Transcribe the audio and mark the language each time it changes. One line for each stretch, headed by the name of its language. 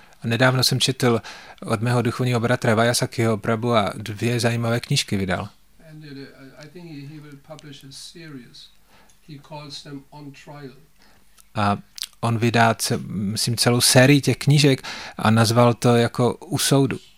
Czech: A nedávno jsem četl od mého duchovního bratra Vyasakiho Prabhu a dvě zajímavé knížky vydal.
English: And I think he will publish a series. He calls them On Trial.
Czech: A on vydá, myslím, celou sérii těch knížek a nazval to jako U soudu.